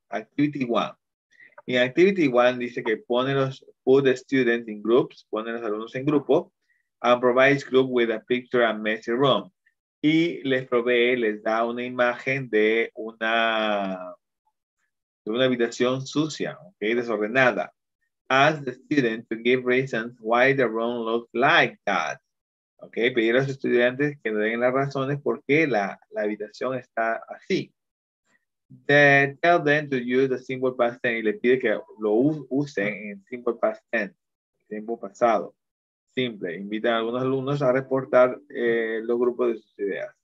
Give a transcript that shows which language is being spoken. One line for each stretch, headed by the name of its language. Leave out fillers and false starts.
English: Activity one. En activity one
Spanish: dice que pone los,
English: put the students in groups,
Spanish: pone los alumnos en grupo,
English: and provides group with a picture and messy room.
Spanish: Y les provee, les da una imagen de una habitación sucia, ok, desordenada.
English: Ask the student to give reasons why the room looks like that.
Spanish: Ok, pedir a los estudiantes que nos den las razones por qué la habitación está así.
English: Then tell them to use the simple past tense
Spanish: y le pide que lo usen en
English: simple past tense,
Spanish: tiempo pasado.
English: Simple.
Spanish: Invitan a algunos alumnos a reportar los grupos de sus ideas.